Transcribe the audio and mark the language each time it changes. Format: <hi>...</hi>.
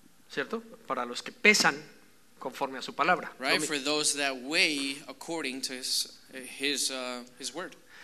<es>¿Cierto? Para los que pesan conforme a su palabra.</es> <en>Right, for those that weigh according to his word.</en>